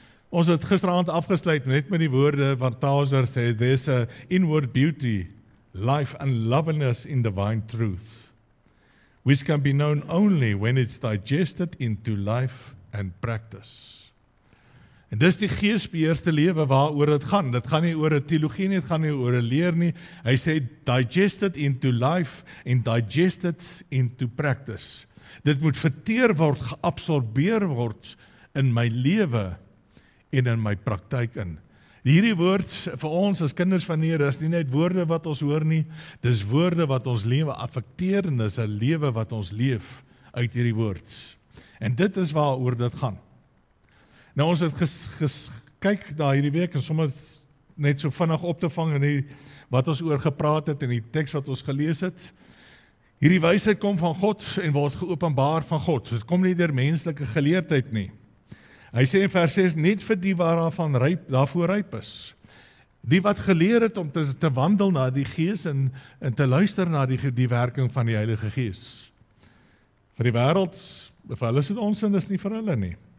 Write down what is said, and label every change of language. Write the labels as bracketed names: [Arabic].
[Afrikaans] Ons het gisteraand afgesluit net met die woorde van Tauser sê, [English] there's a inward beauty, life and loveliness in divine truth, which can be known only when it's digested into life and practice. [Afrikaans] En dis die geesbeheerste lewe waaroor dit gaan. Dit gaan nie oor 'n teologie nie, dit gaan nie oor 'n leer nie. Hy sê [English] digested into life and digested into practice. [Afrikaans] Dit moet verteer word, geabsorbeer word in my lewe en in my praktyk in. Hierdie woord vir ons as kinders van Here is nie net woorde wat ons hoor nie, dis woorde wat ons lewe affekteer en dis 'n lewe wat ons leef uit hierdie woord. En dit is waaroor dit gaan. Nou ons het gekyk daar hierdie week en sommer net so vinnig op te vang en wat ons oor gepraat het en die teks wat ons gelees het. Hierdie wysheid kom van God en word geopenbaar van God. Dit kom nie deur menslike geleerdheid nie. Hy sê in vers 6, net vir die waarvan ryp, daarvoor ryp is. Die wat geleer het om te wandel na die Gees en te luister na die werking van die Heilige Gees. Vir die wêreld, vir hulle is dit onsin, dis nie vir hulle nie.